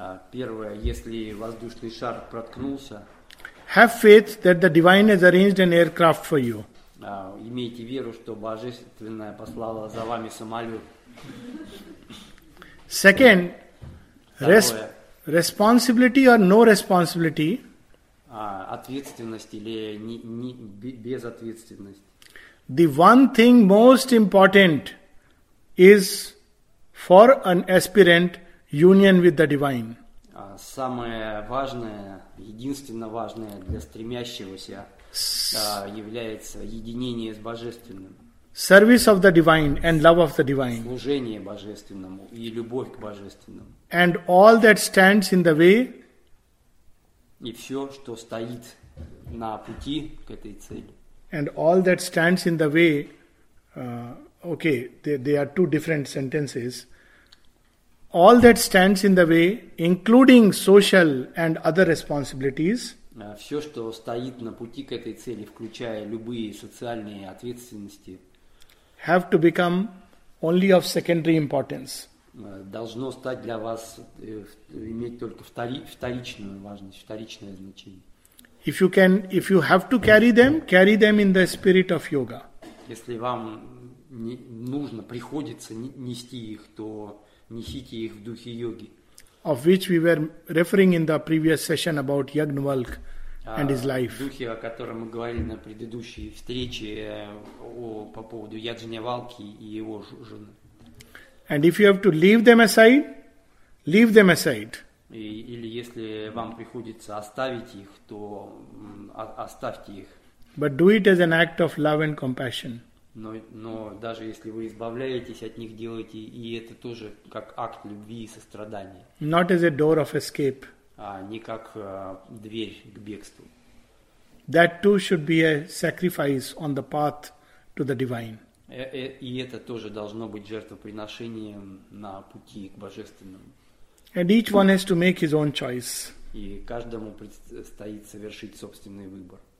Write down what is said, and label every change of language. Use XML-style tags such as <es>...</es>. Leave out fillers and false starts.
<ru>первое, если воздушный шар проткнулся,</ru> <en>have faith that the divine has arranged an aircraft for you.</en> <ru>Имейте веру, что божественное послало за вами самолет.</ru> <en>Second, responsibility or no responsibility,</en> <ru>ответственность или не безответственность.</ru> <en>The one thing most important is for an aspirant union with the divine.</en> <ru>Самое важное, единственно важное для стремящегося является единение с Божественным.</ru> <en>Service of the divine and love of the divine.</en> <ru>Служение Божественному и любовь к Божественному.</ru> <en>And all that stands in the way.</en> <ru>И все, что стоит на пути к этой цели.</ru> <en>And all that stands in the way. Okay, they are two different sentences. All that stands in the way, including social and other responsibilities,</en> <ru>все, что стоит на пути к этой цели, включая любые социальные ответственности,</ru> <en>have to become only of secondary importance.</en> <ru>должно стать для вас иметь только вторичную важность, вторичное значение.</ru> <en>If you can, if you have to carry them in the spirit of yoga.</en> <ru>Если вам нужно, приходится нести их, то несите их в духе йоги.</ru> <en>Of which we were referring in the previous session about Yajnavalk and his life.</en> <ru>В духе, о котором мы говорили на предыдущей встрече по поводу Яджневалки и его жены.</ru> <en>And if you have to leave them aside, leave them aside.</en> <ru>Или если вам приходится оставить их, то оставьте их.</ru> <en>But do it as an act of love and compassion.</en> <ru>Но даже если вы избавляетесь от них, делайте и это тоже как акт любви и сострадания.</ru> <en>Not as a door of escape.</en> <ru>А не как дверь к бегству.</ru> <en>That too should be a sacrifice on the path to the divine.</en> <ru>И это тоже должно быть жертвоприношением на пути к божественному.</ru> <en>And each one has to make his own choice.</en> <ru>И каждому предстоит совершить собственный выбор.</ru>